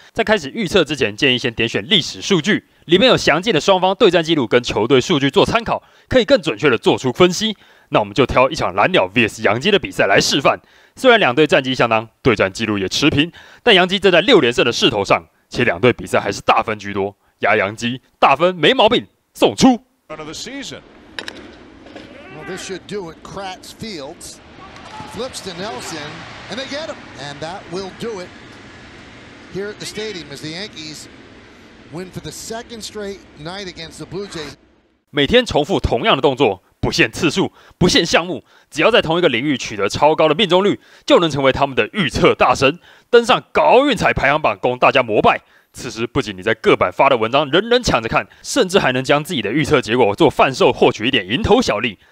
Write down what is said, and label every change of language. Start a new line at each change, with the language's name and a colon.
Chinese: 在开始预测之前，建议先点选历史数据，里面有详尽的双方对战记录跟球队数据做参考，可以更准确的做出分析。那我们就挑一场蓝鸟 vs 洋基的比赛来示范。虽然两队战绩相当，对战记录也持平，但洋基正在六连胜的势头上，且两队比赛还是大分居多，压洋基大分没毛病。送出。
English: Of the season. Well, this should do it. Kratz Fields flips to Nelson, and they get him. And that will do it here at the stadium as the Yankees win for the second straight night against the Blue Jays.
Chinese: 每天重复同样的动作，不限次数，不限项目，只要在同一个领域取得超高的命中率，就能成为他们的预测大神，登上搞运彩排行榜，供大家膜拜。此时不仅你在各版发的文章人人抢着看，甚至还能将自己的预测结果做贩售，获取一点蝇头小利。